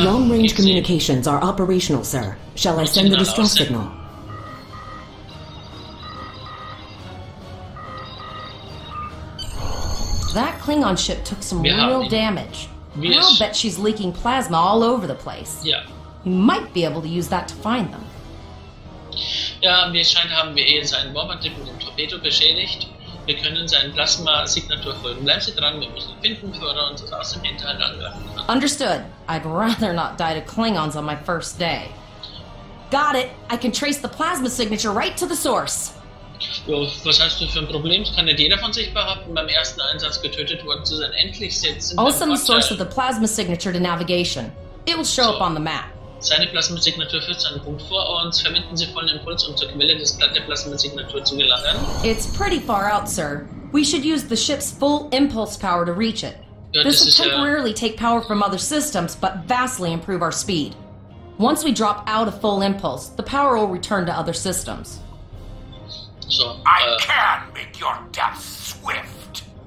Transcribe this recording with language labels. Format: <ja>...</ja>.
<en>Long range communications are operational, sir. Shall I send the distress signal? That Klingon ship took some real damage. I'll bet she's leaking plasma all over the place. Yeah. You might be able to use that to find them.</en> <de>Ja, wie es scheint, haben wir eben seinen Bombardier mit dem Torpedo beschädigt. Wir können seinen Plasma-Signatur folgen. Bleib sie dran, wir müssen ihn finden, bevor er uns aus dem Hinterhalt angreifen kann.</de> <en>Understood. I'd rather not die to Klingons on my first day. Got it. I can trace the plasma signature right to the source.</en> <de>Jo, was hast du für ein Problem? Das kann nicht jeder von sich behaupten, beim ersten Einsatz getötet worden zu sein. Endlich sitzen.</de> <en>I'll send the source of the plasma signature to navigation. It will show up on the map.</en> <de>Seine Plasmasignatur führt zu einem Punkt vor uns. Verwenden Sie vollen Impuls, um zur Quelle des der Plasmasignatur zu gelangen.</de> <en>It's pretty far out, sir. We should use the ship's full impulse power to reach it.</en> <de>Ja,</de> <en>this will temporarily</en> <de>ja</de> <en>take power from other systems, but vastly improve our speed. Once we drop out of full impulse, the power will return to other systems. So, I can make your death swift.</en>